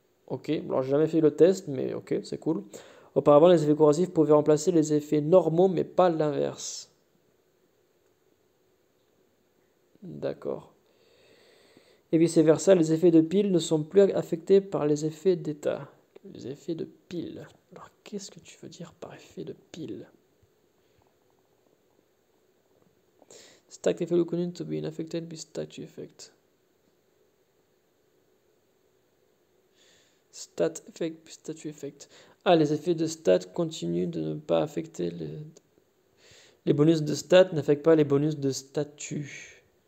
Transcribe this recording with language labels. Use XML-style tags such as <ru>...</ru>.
<fr>Ok, alors j'ai jamais fait le test, mais ok, c'est cool. Auparavant, les effets corrosifs pouvaient remplacer les effets normaux, mais pas l'inverse. D'accord. Et vice-versa, les effets de pile ne sont plus affectés par les effets d'état. Les effets de pile. Alors, qu'est-ce que tu veux dire par effet de pile?</fr> <en>Stacked effect continue to be unaffected by statue effect. Stat effect, statue effect.</en> <fr>Ah, les effets de stat continuent de ne pas affecter les. Les bonus de stat n'affectent pas les bonus de statue.</fr>